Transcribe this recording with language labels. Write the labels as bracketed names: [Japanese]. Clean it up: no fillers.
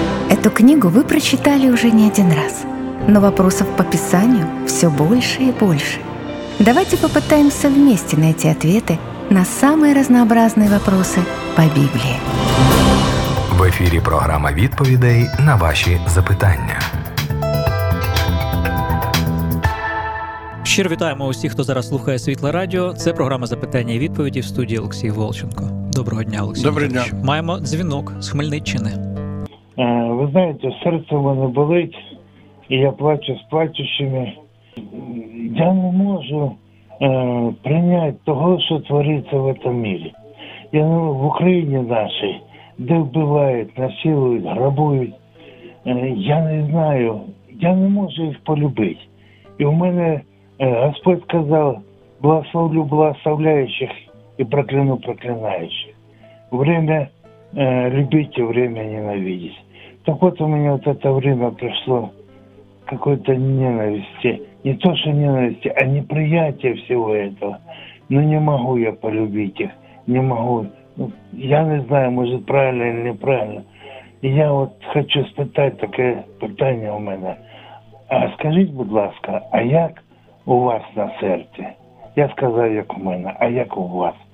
[Russian] Эту книгу вы прочитали уже не один раз, но вопросов по Писанию все больше и больше. Давайте попытаемся вместе найти ответы на самые разнообразные вопросы по Библии. В эфире программа «Відповідей» на ваши запитання. [Ukrainian] Щиро вітаємо усіх, хто зараз слухає Світле Радіо. Це програма «Запитання і відповіді» в студії Олексій Волченко. Доброго дня, Олексій. Доброго дня. Маємо дзвінок з Хмельниччини. Ви знаєте, серце в мене болить, і я плачу з плачущими. Я не можу прийняти того, що твориться в цьому мірі. Я в Україні нашій, де вбивають, насилують, грабують. Я не знаю, я не можу їх полюбити. І в мене Господь сказав: «Благословлю благословляючих і прокляну проклинаючих». [Russian] Время любити, время ненавидеть. [Ukrainian] Так от у мене от це время прийшло [Russian] какой-то [Ukrainian] ненависті. Не то, що ненависті, а неприятие всього этого. Ну [Russian] не могу [Ukrainian] я полюбити їх, не могу. Ну, я не знаю, може правильно [Russian] или [Ukrainian] неправильно. Я от хочу спитати таке питання у мене. А скажіть, будь ласка, а як у вас на серці? Я сказав, як у мене, а як у вас?